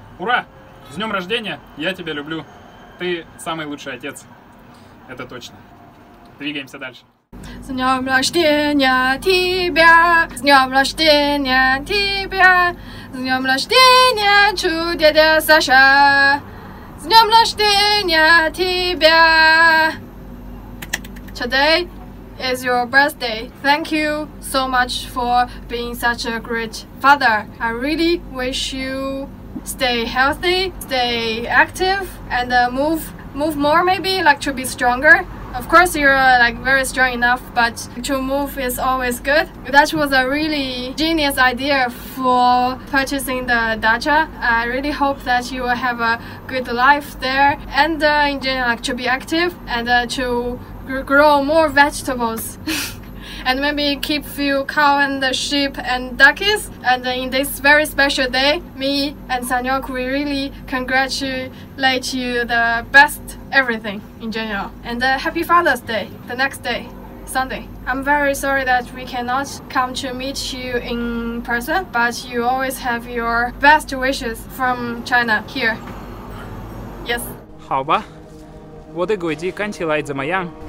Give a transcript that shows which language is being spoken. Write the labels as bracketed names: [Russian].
[Russian] Ура! С днем рождения! Я тебя люблю! Ты самый лучший отец. Это точно. Двигаемся дальше. С днем рождения тебя, с днем рождения тебя, с днем рождения, чудеда Саша, с днем рождения тебя. [English] Today is your birthday. Thank you so much for being such a great father. I really wish you stay healthy, stay active, and move more maybe, like to be stronger. Of course, you're like very strong enough, but to move is always good. That was a really genius idea for purchasing the dacha. I really hope that you will have a good life there and in general, like to be active and to grow more vegetables and maybe keep few cow and the sheep and duckies. And in this very special day, me and Sanyok, we really congratulate you the best everything in general. And happy Father's Day, the next day, Sunday. I'm very sorry that we cannot come to meet you in person, but you always have your best wishes from China here. Yes. [Chinese] 好吧，我的国际看起来怎么样？